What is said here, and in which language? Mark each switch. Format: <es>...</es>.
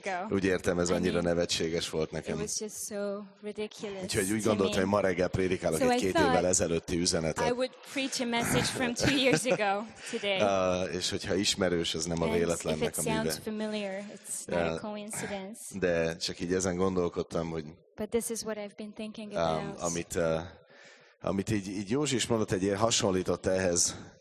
<hu>úgy értem, ez annyira nevetséges volt nekem.</hu> <en>It was just so ridiculous.</en> <hu>Úgyhogy úgy gondoltam, hogy ma reggel prédikálok egy két évvel ezelőtti üzenetet.</hu> <en>I would preach a message from 2 years ago today.</en> <hu>És hogyha ismerős, az nem a véletlennek a műve.</hu> <en>Familiar, it's not a coincidence.</en> <hu>De csak így ezen gondolkodtam, hogy</hu> <en>but this is what I've been thinking about.</en> <hu>Amit így Józsi is mondott, egy ilyen hasonlított ehhez.</hu>